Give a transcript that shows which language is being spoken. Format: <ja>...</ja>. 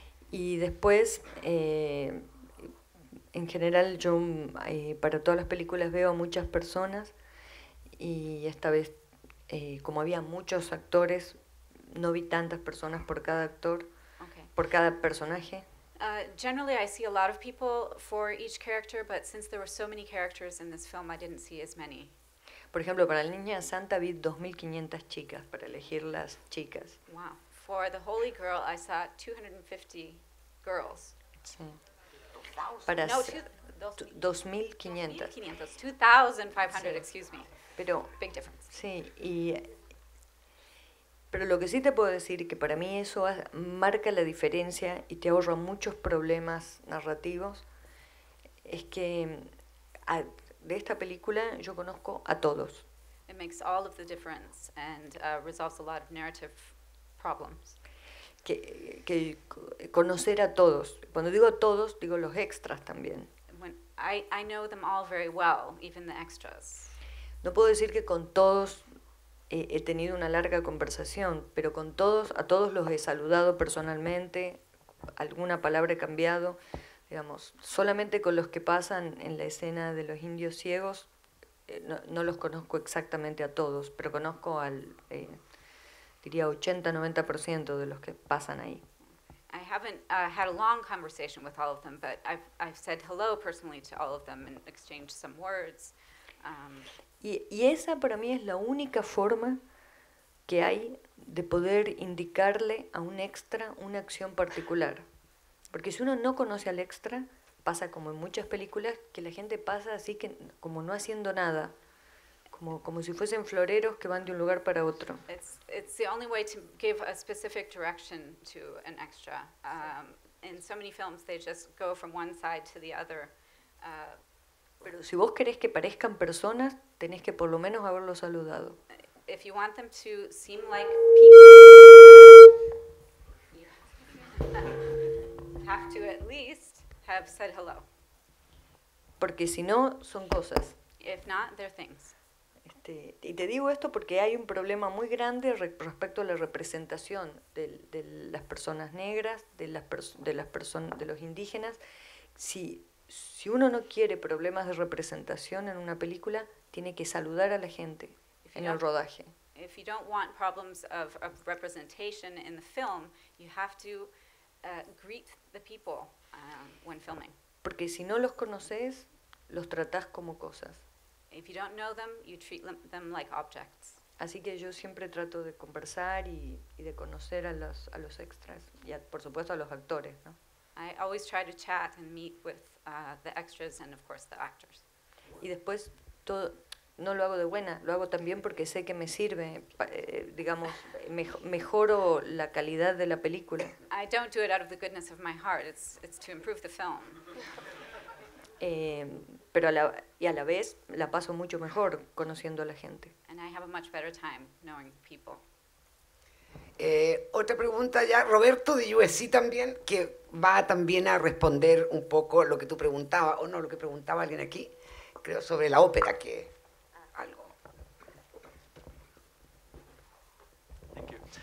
<es>Y después, en general, yo para todas las películas veo a muchas personas y esta vez, como había muchos actores, no vi tantas personas por cada actor. por cada personaje.</es> <en>Generally, I see a lot of people for each character, but since there were so many characters in this film, I didn't see as many.</en> <es>Por ejemplo, para la Niña Santa vi 2,500 chicas, para elegir las chicas.</es> <en>Wow. For the Holy Girl, I saw 250 girls.</en> <es>Sí. Para no, 2,500. 2,500,</es> <en>sí. Excuse me.</en> <es>Pero,</es> <en>big difference.</en> <es>Sí, y... Pero lo que sí te puedo decir es que para mí eso marca la diferencia y te ahorra muchos problemas narrativos, es que de esta película yo conozco a todos.</es> <en>It makes all of the difference and resolves a lot of narrative problems.</en> <es>Que conocer a todos. Cuando digo a todos, digo los extras también.</es> <en>When I know them all very well, even the extras.</en> <es>No puedo decir que con todos he tenido una larga conversación, pero con todos, a todos los he saludado personalmente, alguna palabra he cambiado, digamos, solamente con los que pasan en la escena de los indios ciegos, no los conozco exactamente a todos, pero conozco al, diría 80-90% de los que pasan ahí.</es> <en>I haven't had a long conversation with all of them, but I've said hello personally to all of them and exchanged some words.</en> <es>Y esa para mí es la única forma que hay de poder indicarle a un extra una acción particular. Porque si uno no conoce al extra, pasa como en muchas películas, que la gente pasa así que como no haciendo nada, como si fuesen floreros que van de un lugar para otro.</es> <en>It's the only way to give a specific direction to an extra. In so many films they just go from one side to the other.</en> <es>Pero si vos querés que parezcan personas, tenés que por lo menos haberlos saludado.</es> <en>If you want them to seem like people, you have to at least have said hello.</en> <es>Porque si no, son cosas.</es> <en>If not, they're things.</en> <es>Y te digo esto porque hay un problema muy grande respecto a la representación de las personas negras, de los indígenas. Si uno no quiere problemas de representación en una película, tiene que saludar a la gente en el rodaje.</es> <en>If you don't want problems of representation in the film, you have to greet the people when filming.</en> <es>Porque si no los conoces, los tratás como cosas.</es> <en>If you don't know them, you treat them like objects.</en> <es>Así que yo siempre trato de conversar y de conocer a los extras y por supuesto a los actores, ¿no?</es> <en>I always try to chat and meet with the extras and of course the actors.</en> <es>Y después todo, no lo hago de buena, lo hago también porque sé que me sirve, digamos, mejoro la calidad de la película.</es> <en>I don't do it out of the goodness of my heart. It's to improve the film.</en> <es>Pero a la vez la paso mucho mejor conociendo a la gente.</es> <en>And I have a much better time knowing people.</en> <es>Otra pregunta ya, Roberto de USC también, que va también a responder un poco lo que tú preguntabas, o no, lo que preguntaba alguien aquí, creo, sobre la ópera, que algo.</es> <en>Thank you.</en>